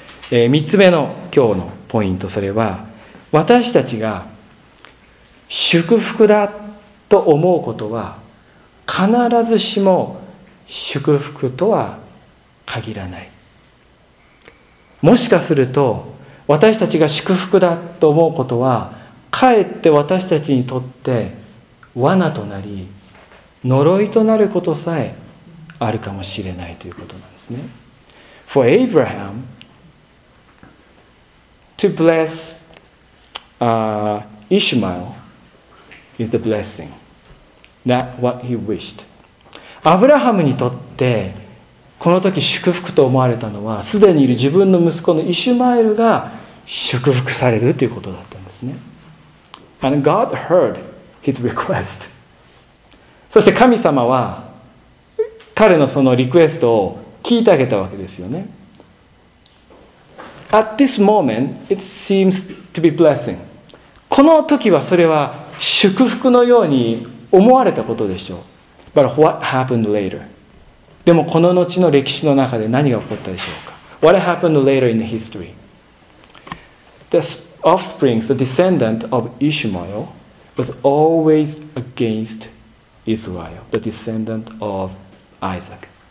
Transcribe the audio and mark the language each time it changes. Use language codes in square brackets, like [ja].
[ja] 三つ目の今日のポイント、それは、私たちが祝福だと思うことは必ずしも祝福とは限らない。もしかすると私たちが祝福だと思うことはかえって私たちにとって罠となり呪いとなることさえあるかもしれないということなんですね。 [en] For Abraham to bless Ishmaelis the blessing that what he wished. [ja] アブラハムにとってこの時祝福と思われたのはすでにいる自分の息子のイシュマエルが祝福されるということだったんですね。 [en] And God heard his request. [ja] そして神様は彼のそのリクエストを聞いてあげたわけですよね。 [en] At this moment, it seems to be blessing. [ja] この時はそれは祝福のように思われたことでしょう。 [en] But what happened later? [ja] でもこの後の歴史の中で何が起こったでしょうか。 [en] What happened later in history? The offspring, the descendant of Ishmael was always against Israel, the descendant of Isaac.